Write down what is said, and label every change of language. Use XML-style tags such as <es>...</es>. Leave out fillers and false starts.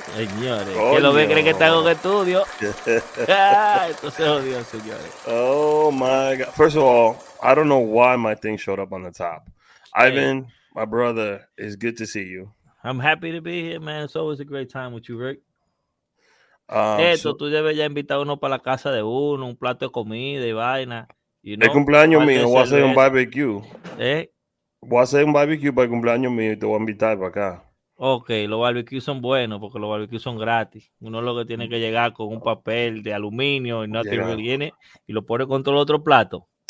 <es>Señores, oh, que lo ve, cree que está en un estudio. Esto se jodió, señores.</es> <en>Oh my God. First of all, I don't know why my thing showed up on the top. Hey. Ivan, my brother, it's good to see you. I'm happy to be here, man. It's always a great time with you, Rick.</en> <es>Tú debes ya invitar uno para la casa de uno, un plato de comida y vaina. Es cumpleaños mío, voy a hacer un barbecue. ¿Eh? Voy a hacer un barbecue para el cumpleaños mío y te voy a invitar para acá. Ok, los barbecues son buenos porque los barbecues son gratis. Uno lo que tiene que llegar con un papel de aluminio y no tiene viene y lo pone contra el otro plato.</es>